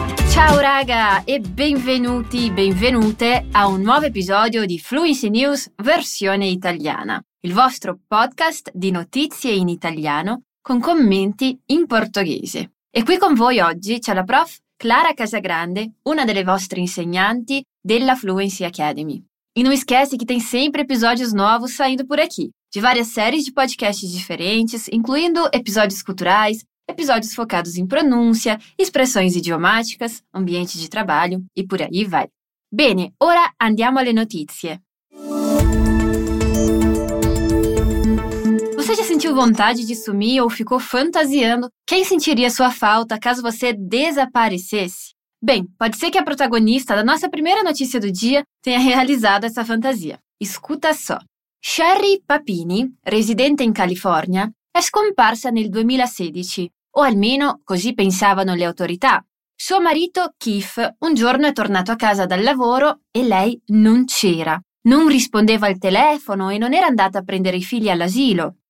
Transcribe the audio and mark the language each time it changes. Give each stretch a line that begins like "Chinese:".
Italian: Ciao raga e benvenuti, benvenute a un nuovo episodio di Fluency News versione italiana, il vostro podcast di notizie in italiano con commenti in portoghese. E qui con voi oggi c'è la prof Clara Casagrande, una delle vostre insegnanti della Fluency Academy.
Portuguese: E não esquece que tem sempre episódios novos saindo por aqui, de várias séries de podcasts diferentes, incluindo episódios culturais, episódios focados em pronúncia, expressões idiomáticas, ambiente de trabalho e por aí vai.
Italian: Bene, ora andiamo alle notizie.
Portuguese: Você já sentiu vontade de sumir ou ficou fantasiando quem sentiria sua falta caso você desaparecesse? Bem, pode ser que a protagonista da nossa primeira notícia do dia tenha realizado essa fantasia. Escuta só.
Italian: Sherry Papini, residente in California, è scomparsa nel 2016, o almeno così pensavano le autorità. Suo marito, Keith, un giorno è tornato a casa dal lavoro e lei non c'era. Non rispondeva al telefono e non era andata a prendere i figli all'asilo.